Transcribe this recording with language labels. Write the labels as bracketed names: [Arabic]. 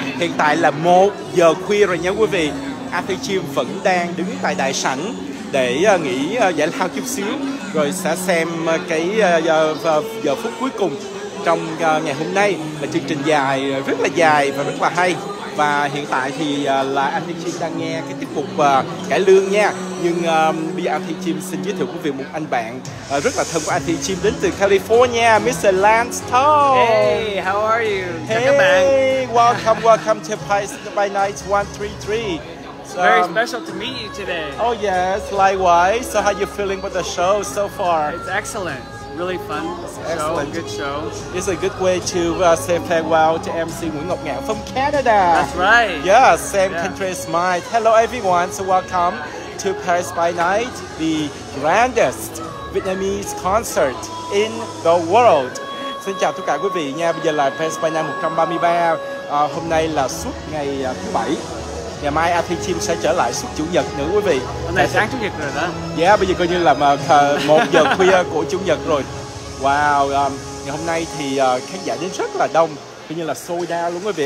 [Vietnamese] Hiện tại là 1 giờ khuya rồi nha quý vị. Arthur Chim vẫn đang đứng tại đại sảnh để nghỉ giải lao chút xíu, rồi sẽ xem cái giờ phút cuối cùng trong ngày hôm nay, là chương trình dài, rất là dài và rất là hay. Và hiện tại thì là anh Chim đang nghe cái tiết mục cải lương nha. Nhưng bây giờ anh Chim xin giới thiệu quý vị một anh bạn rất là thân của anh Chim đến từ California, Mr. Lance To. [English] Hey, how are you? [Vietnamese] Hey, các bạn. [English] Welcome to Paris by Night 133. Very special to meet you today. Oh yes, likewise. So how are you feeling about the show so far? It's excellent. Really fun. show, excellent. Good show. It's a good way to say farewell to MC Nguyễn Ngọc Ngạn from Canada. That's right. Yeah, same country as mine. Hello everyone, so welcome to Paris by Night, the grandest Vietnamese concert in the world. [Vietnamese] Xin chào tất cả quý vị nha. Bây giờ là Paris by Night 133. Hôm nay là suốt ngày thứ bảy. Ngày mai Athi Chim sẽ trở lại suốt chủ nhật nữa quý vị. Hôm nay sáng chủ nhật rồi đó. Yeah, bây giờ coi như là 1 giờ khuya của chủ nhật rồi. Wow, ngày hôm nay thì khán giả đến rất là đông, coi như là sold out luôn quý vị.